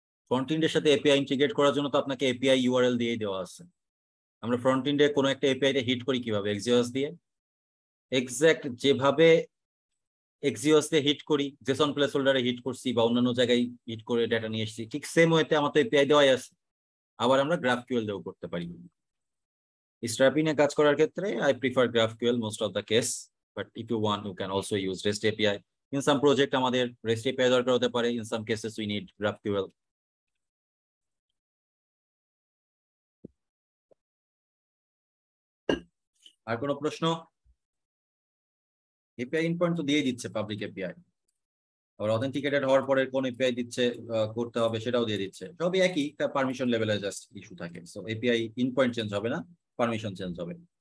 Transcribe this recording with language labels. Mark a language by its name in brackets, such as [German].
[Bangla] Front এন্ডের সাথে API integrate করার জন্য তো আপনাকে এপিআই ইউআরএল দিয়ে দেওয়া আছে, আমরা ফ্রন্ট এন্ডে কোনো একটা এপিআই তে হিট করি কিভাবে, এক্সিওস দিয়ে, এক্স্যাক্ট যেভাবে এক্সিওস তে হিট করি, জেসন প্লেস হোল্ডারে হিট করছি বা অন্যান্য জায়গায় হিট করে ডেটা নিয়ে এসেছি, ঠিক সেম ওয়েতে আমার তো এপিআই দেওয়াই আছে, আবার আমরা গ্রাফ কিউএল দিয়েও করতে পারি। স্ট্র্যাপিং এ কাজ করার ক্ষেত্রে [English] I prefer GraphQL most of the case, But if you want, you can also use REST API. In some project, [Bangla] আমাদের REST API দরকার হতে পারে. [English] In some cases, we need GraphQL. [Bangla] আর কোনো প্রশ্ন? API endpoint তো দিয়ে দিচ্ছে public API. আর authenticated হওয়ার পরে কোন API দিচ্ছে করতে হবে সেটাও দিয়ে দিচ্ছে. সবই একই, তার permission level এর just issue থাকে. So API endpoint change হবে না, permission change হবে.